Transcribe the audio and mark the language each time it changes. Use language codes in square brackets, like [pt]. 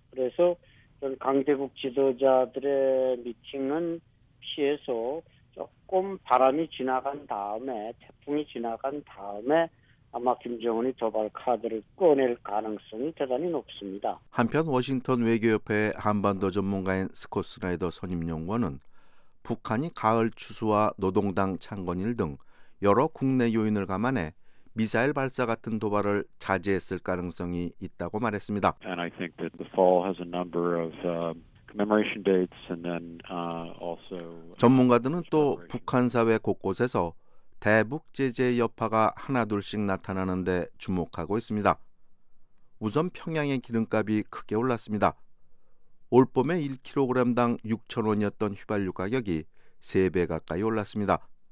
[ko] 그래서 강대국 지도자들의 미팅은 피해서 조금 바람이 지나간 다음에 태풍이 지나간 다음에 아마 김정은이 도발 카드를 꺼낼 가능성이 대단히 높습니다. 한편 워싱턴 외교협회의 한반도 전문가인 스콧 스나이더 선임연구원은 북한이 가을 추수와 노동당 창건일 등 여러 국내 요인을 감안해 미사일 발사 같은 도발을 자제했을 가능성이 있다고 말했습니다. [en] And I think that the fall has a number of commemoration dates and then also [ko] 전문가들은 또 북한 사회 곳곳에서 대북 제재 여파가 하나둘씩 나타나는 데 주목하고 있습니다. 우선 평양의 기름값이 크게 올랐습니다. 올봄에 1kg당 6,000원이었던 휘발유 가격이 3배 가까이 올랐습니다.